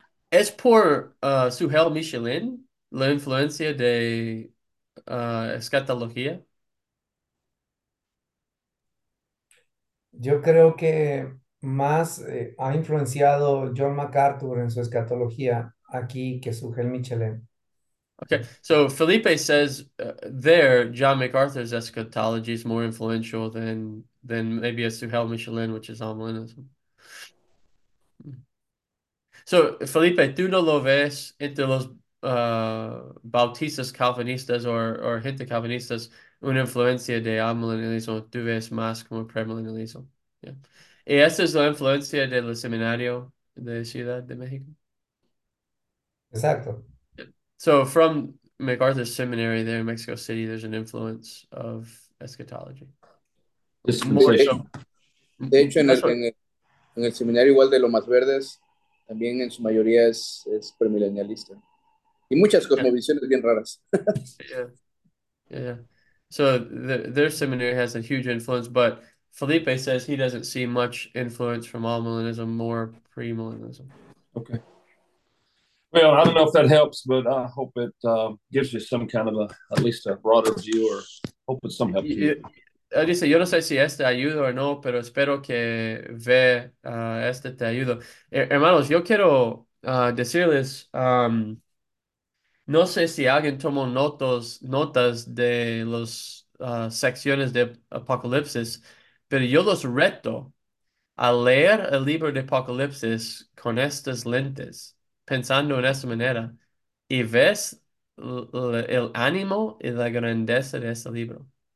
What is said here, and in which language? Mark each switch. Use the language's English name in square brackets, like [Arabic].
[Spanish] ¿Es por Sugel Michelin la influencia de escatología? Yo creo que más ha influenciado John MacArthur en su escatología aquí que Sugel Michelén. [English] Okay, so Felipe says there John MacArthur's eschatology is more influential than maybe a Suhail Michelin, which is amillennialism. [Spanish] So Felipe, ¿tú no lo ves entre los bautistas calvinistas or gente calvinistas una influencia de amillennialismo? ¿Tú ves más como premillennialismo? Yeah. ¿Y esa es la influencia del seminario de Ciudad de México? Exacto. [English] So from MacArthur Seminary there in Mexico City, there's an influence of eschatology. More so. [Spanish] De hecho, [English] That's what. [Spanish] en el seminario igual de Lomas Verdes, también en su mayoría es premilenialista. Y muchas cosmovisiones bien raras. [English] So their seminary has a huge influence, but Felipe says he doesn't see much influence from amillennialism, more premillennialism. Okay. Well, I don't know if that helps, but I hope it gives you some kind of at least a broader view, or hope it's some help to you. [Spanish] Dice, yo no sé si este ayuda o no, pero espero que ve este te ayudo. Hermanos, yo quiero decirles, no sé si alguien tomó notas de las secciones de Apocalipsis, pero yo los reto a leer el libro de Apocalipsis con estas lentes, pensando en esta manera, y ves el ánimo y la grandeza de este libro.